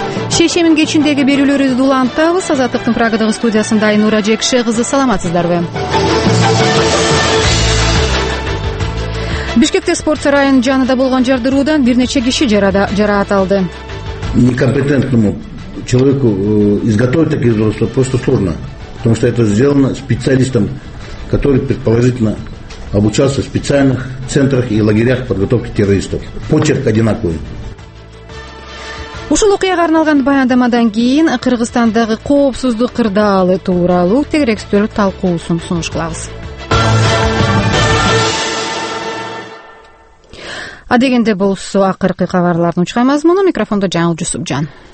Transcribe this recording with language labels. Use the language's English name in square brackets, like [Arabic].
[Kyrgyz] Шейшембинин кечиндеги берүүлөрүбүздү улантабыз. Азаттыктын Прагадагы студиясында Айнура Жекше кызы, саламатсыздарбы? Бишкекте спорт сарайынын жанында болгон жардыруудан бир нече киши жараат алды. [Russian] Некомпетентному человеку изготовить такие устройства просто сложно, потому что это сделано специалистом, который предположительно обучался в специальных центрах и лагерях подготовки террористов. Почерк одинаковый. [Kyrgyz] Ушул окуяга арналган баяндамадан кийин Кыргызстандагы коопсуздук кырдаалы тууралуу тегерек үстөл талкуусун сунуш кылабыз. А дегенде болсо акыркы кабарларды учкаймаз муну. Микрофондо Жаңыл Жусупжан.